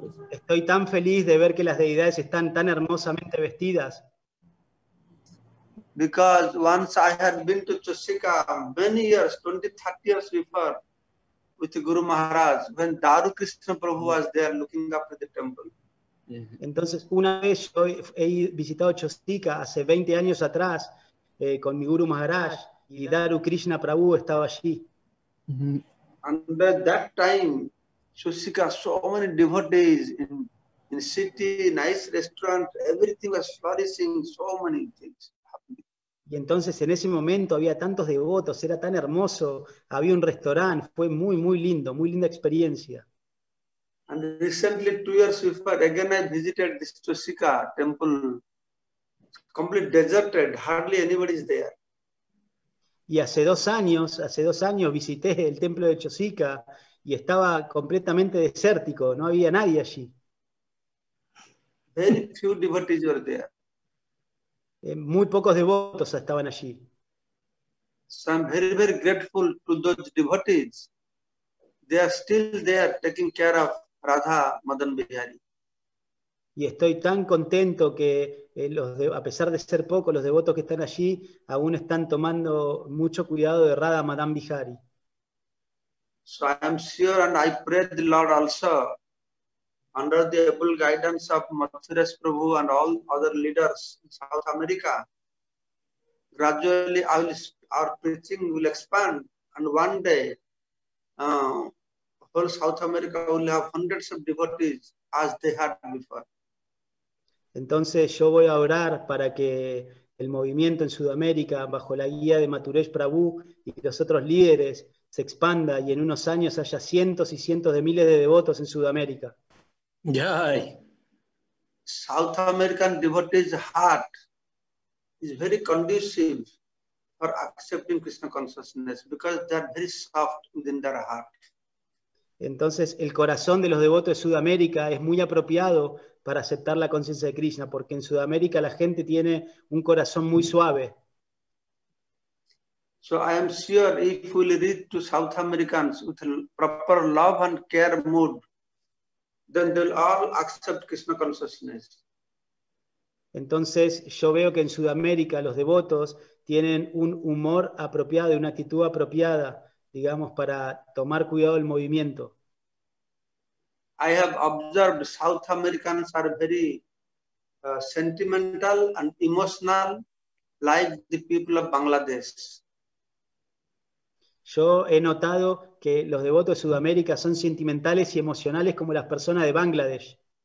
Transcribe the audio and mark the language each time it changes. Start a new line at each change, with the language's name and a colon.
Spanish: Estoy tan feliz de ver que las deidades están tan hermosamente vestidas.
English: Because once I had been to Chosika many years, 20, 30 years before, with Guru Maharaj, when Daru Krishna Prabhu was there looking up at the temple.
Spanish: Entonces, una vez yo he visitado Chosika hace 20 años atrás con mi Guru Maharaj y Daru Krishna Prabhu estaba allí.
English: And at that time, Chosika, so many devotees in city, nice restaurant, everything was flourishing, so many things.
Spanish: Y entonces en ese momento había tantos devotos, era tan hermoso, había un restaurante, fue muy, muy lindo, muy linda experiencia.
English: And recently, 2 years before, again I visited this Tosika temple. It's completely deserted, hardly anybody is there.
Spanish: Y hace dos años visité el templo de Chosica y estaba completamente desértico, no había nadie allí.
English: Very few devotees were there.
Spanish: Muy pocos devotos estaban allí.
English: So I'm very, very grateful to those devotees. They are still there taking care of Radha Madan Bihari.
Spanish: Y estoy tan contento que a pesar de ser pocos los devotos que están allí, aún están tomando mucho cuidado de Radha Madan Bihari.
English: So I am sure and I pray the Lord also, under the able guidance of Mathuras Prabhu and all other leaders in South America, gradually our preaching will expand and one day whole South America will have hundreds of devotees as they had before.
Spanish: Entonces yo voy a orar para que el movimiento en Sudamérica bajo la guía de Mathuresh Prabhu y los otros líderes se expanda y en unos años haya cientos y cientos de miles de devotos en Sudamérica. Yay.
English: South American devotees' heart is very conducive for accepting Krishna consciousness because they are very soft within their heart.
Spanish: Entonces, el corazón de los devotos de Sudamérica es muy apropiado para aceptar la conciencia de Krishna, porque en Sudamérica la gente tiene un corazón muy suave.
English: So I am sure if we will reach to South Americans with proper love and care mood, then they'll all accept Krishna consciousness.
Spanish: Entonces, yo veo que en Sudamérica los devotos tienen un humor apropiado y una actitud apropiada, digamos, para tomar cuidado del movimiento.
English: I have observed South Americans are very sentimental and emotional like the people of Bangladesh.
Spanish: Yo he notado que los devotos de Sudamérica son sentimentales y emocionales como las personas de Bangladesh.